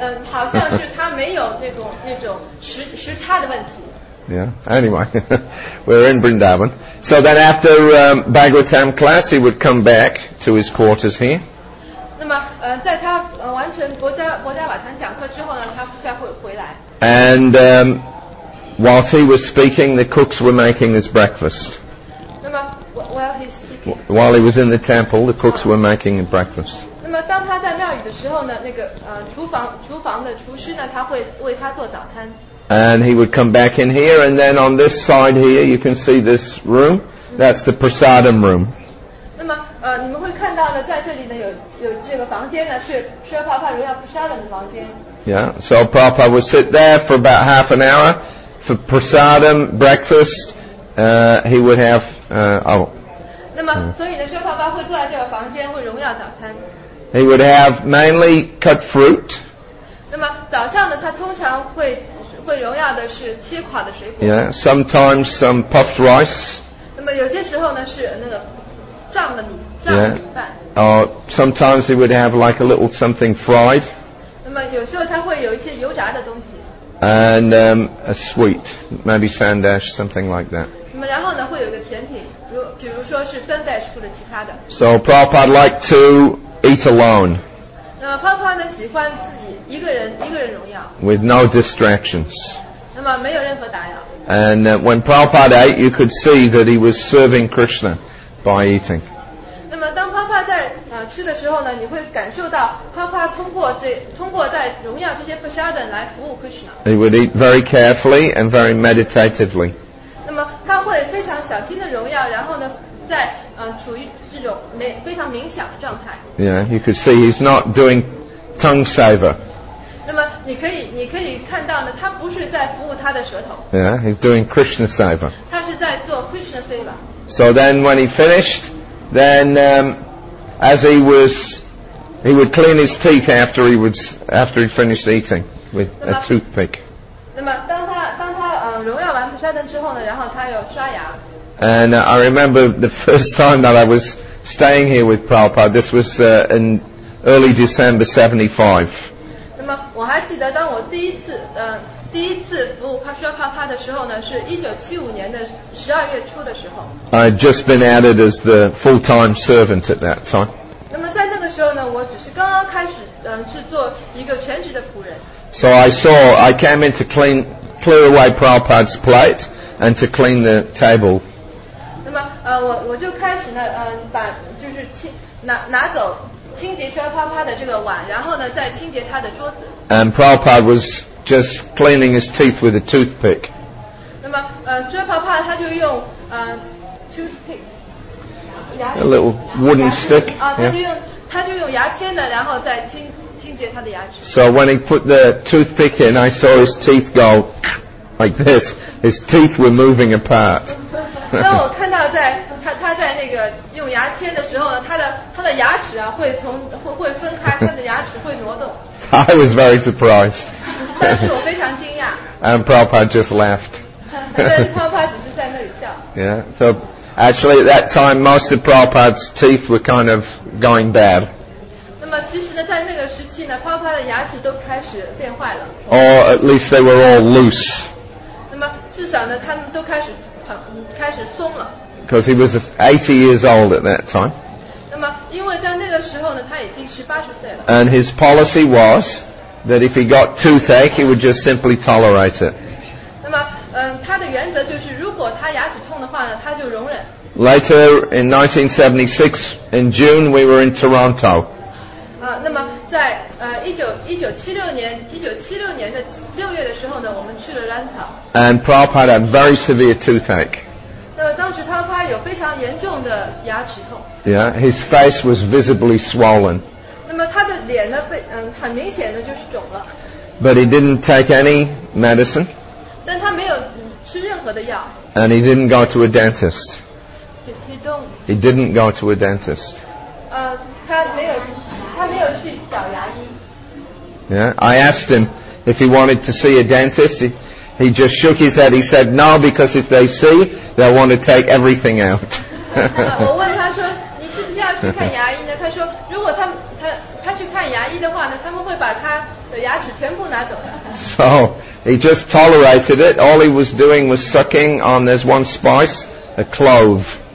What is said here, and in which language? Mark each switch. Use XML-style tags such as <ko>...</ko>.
<zh>好像是他没有那种时差的问题。</zh> <en>Yeah, anyway, we're in Vrindavan. So then after Bhagavatam class, he would come back to his quarters here.</en> <zh>那么在他完成国家瓦坛讲课之后呢，他再回来。</zh> <en>And whilst he was speaking, the cooks were making his breakfast.</en> <zh>那么</zh> <en>while he's speaking. While he was in the temple, the cooks were making his breakfast.</en> <zh>那么当他在庙宇的时候呢，那个厨房的厨师呢，他会为他做早餐。</zh> <en>And he would come back in here, and then on this side here, you can see this room. That's the prasadam room.</en> <zh>那么，你们会看到呢，在这里呢，有这个房间呢，是舍帕帕荣耀普沙冷的房间。</zh> <en>Yeah, so Papa would sit there for about half an hour for prasadam breakfast. He would have oh.</en> <zh>那么，所以呢，舍帕帕会坐在这个房间，会荣耀早餐。</zh> <en>He would have mainly cut fruit.</en> <zh>那么早上呢，他通常会荣耀的是切垮的水果。</zh> <en>Yeah, sometimes some puffed rice.</en> <zh>那么有些时候呢是那个胀的米，胀的米饭。</zh> <en>Oh, sometimes he would have like a little something fried.</en> <zh>那么有时候他会有一些油炸的东西。</zh> <en>And a sweet, maybe sandesh, something like that.</en> <zh>那么然后呢会有一个甜品，比如说是 sandesh 或者其他的。</zh> <en>So Prabhupada liked to eat alone.</en> <zh>那么Prabhupada呢喜欢自己一个人荣耀。</zh> <en>With no distractions.</en> <zh>那么没有任何打扰。</zh> <en>And when Prabhupada ate, you could see that he was serving Krishna by eating.</en> <zh>那么当Prabhupada在吃的时候呢，你会感受到Prabhupada通过在荣耀这些prasadam来服务Krishna.</zh> <en>He would eat very carefully and very meditatively.</en> <zh>那么他会非常小心的荣耀，然后呢在处于这种非常冥想的状态。</zh> <en>Yeah, you could see he's not doing tongue saver.</en> <zh>那么你可以看到呢，他不是在服务他的舌头。</zh> <en>Yeah, he's doing Krishna saver.</en> <zh>他是在做</zh> <en>Krishna saver. So then when he finished, then as he was, he would clean his teeth after he finished eating with a toothpick.</en> <zh>那么当他荣耀完普沙顿之后呢，然后他又刷牙。</zh> <en>And I remember the first time that I was staying here with Prabhupada, this was in early December 75.</en> <zh>那么我还记得当我第一次服务帕的时候呢，是1975年的12月初的时候。</zh> <en>I had just been added as the full-time servant at that time.</en> <zh>那么在那个时候呢，我只是刚刚开始是做一个全职的仆人。</zh> <en>So I came in to clear away Prabhupada's plate and to clean the table.</en> <zh>那么我就开始呢把就是拿走清洁薛帕帕的这个碗，然后呢再清洁他的桌子。</zh> <en>And Prabhupada was just cleaning his teeth with a toothpick.</en> <zh>那么薛帕帕他就用toothpick,</zh> <en>a little wooden stick.</en> <zh>他就用牙签的，然后再清洁他的牙齿。</zh> <en>So when he put the toothpick in, I saw his teeth go like this. His teeth were moving apart.</en> <zh>当我看到在他在那个用牙签的时候呢，他的牙齿啊会从会分开，他的牙齿会挪动。</zh> <en>I was very surprised.</en> <zh>但是我非常惊讶。</zh> <en>And Prabhupada just laughed.</en> <zh>但是Prabhupada 只是在那里笑。</zh> <en>Yeah, so actually at that time most of Prabhupada's teeth were kind of going bad.</en> <zh>那么其实呢，在那个时期呢，帕帕的牙齿都开始变坏了。</zh> <en>Or at least they were all loose.</en> <zh>那么至少呢，他们都开始松了。</zh> <en>Because he was 80 years old at that time.</en> <zh>那么因为在那个时候呢，他已经是80岁了。</zh> <en>And his policy was that if he got toothache, he would just simply tolerate it.</en> <zh>那么，他的原则就是，如果他牙齿痛的话呢，他就容忍。</zh> <en>Later in 1976, in June, we were in Toronto.</en> <zh>那么在1976年的六月的时候呢，我们去了兰草。</zh> <en>And Prabhupada had a very severe toothache.</en> <zh>那么当时他有非常严重的牙齿痛。</zh> <en>Yeah, his face was visibly swollen.</en> <zh>那么他的脸呢，很明显的就是肿了。</zh> <en>But he didn't take any medicine.</en> <zh>但他没有吃任何的药。</zh> <en>And he didn't go to a dentist. He didn't go to a dentist.</en> <zh>他没有去找牙医。</zh> <en>Yeah, I asked him if he wanted to see a dentist. He just shook his head. He said no, because if they see, they'll want to take everything out.</en> <zh>我问他说，你是不是要去看牙医呢？他说，如果他去看牙医的话呢，他们会把他的牙齿全部拿走的。</zh> <en>So he just tolerated it. All he was doing was sucking on this one spice, a clove.</en>